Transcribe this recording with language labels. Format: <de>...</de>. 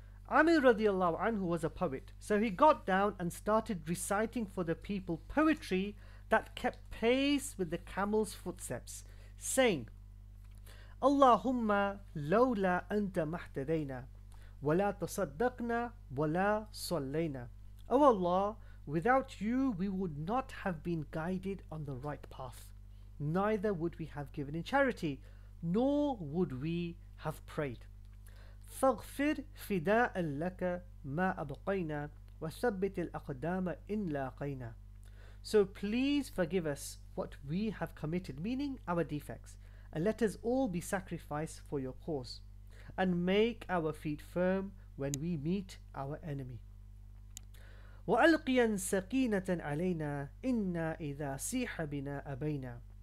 <en>Amir radiallahu anhu was a poet, so he got down and started reciting for the people poetry that kept pace with the camel's footsteps, saying,</en> <ar>اللهم لولا أنت ما اهتدينا ولا تصدقنا ولا صلينا.</ar> <en>O Allah, without you we would not have been guided on the right path, neither would we have given in charity, nor would we have prayed.</en> <ar>فاغفر فداء لك ما أبقينا وثبت الأقدام إن لاقينا.</ar> <en>So please forgive us what we have committed, meaning our defects, and let us all be sacrificed for your cause, and make our feet firm when we meet our enemy.</en> <ar>وَأَلْقِيَنْ سَكِينَةً عَلَيْنَا إِنَّا إِذَا سِيحَ بِنَا أَبَيْنَا.</ar>